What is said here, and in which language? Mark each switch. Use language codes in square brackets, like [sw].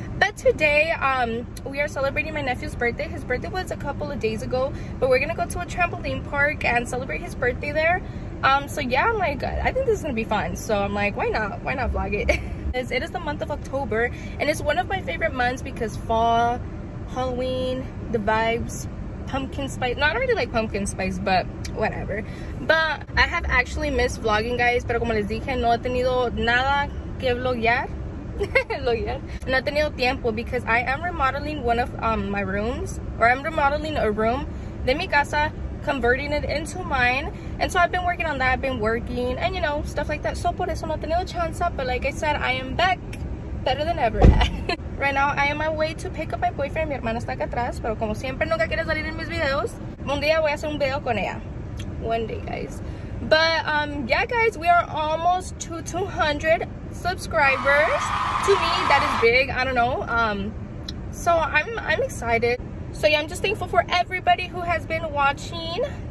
[en] But today, we are celebrating my nephew's birthday. His birthday was a couple of days ago, but we're gonna go to a trampoline park and celebrate his birthday there. So yeah, I'm like, I think this is gonna be fun. So I'm like, why not vlog it? It is the month of October, and it's one of my favorite months because fall, Halloween, the vibes, pumpkin spice. Not really like pumpkin spice, but whatever. But I have actually missed vlogging, guys. [es] Pero como les dije, no he tenido nada que vlogear. No he tenido tiempo [en] because I am remodeling one of my rooms, or I'm remodeling a room [es] de mi casa, [en] converting it into mine. And so I've been working on that, I've been working and, you know, stuff like that. So [es] por eso no he tenido chance, [en] but like I said, I am back, better than ever. Right now I am on my way to pick up my boyfriend. [es] Mi hermana está acá atrás, pero como siempre nunca quiere salir en mis videos. Un día voy a hacer un video con ella, [en] one day, guys. But yeah guys, we are almost to 200 subscribers. To me that is big, I don't know. So I'm excited. So yeah, I'm just thankful for everybody who has been watching.